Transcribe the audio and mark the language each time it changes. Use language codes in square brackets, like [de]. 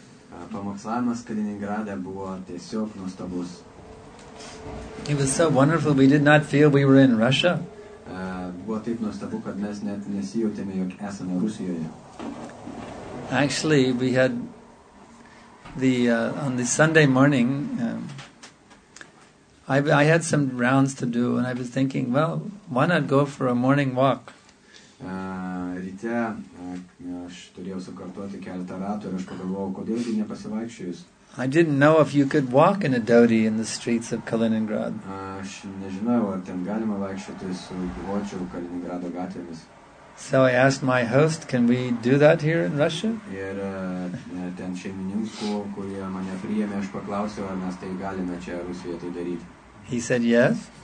[lt] Pamokslavimas Kaliningrade buvo tiesiog nuostabus. [en] It was so wonderful, we did not feel we were in Russia. [lt] Buvo taip nuostabu, kad mes net nesijautėme, jog esame Rusijoje. [en] Actually, we had the on the Sunday morning, I had some rounds to do, and I was thinking, well, why not go for a morning walk? [lt] Ryte aš turėjau sukartoti keletą ratų ir aš pagalvojau, kodėl gi nepasivaikščius. [en] I didn't know if you could walk in a dhoti in the streets of Kaliningrad. [lt] Aš nežinau, ar ten galima vaikščioti su dhočiu Kaliningrado gatvėmis. [en] So I asked my host, can we do that here in Russia? [lt] Ir ten šeimininkų, kurie mane priėmė, aš paklausiau, ar mes tai galime čia Rusijoje tai daryti. [en] He said yes.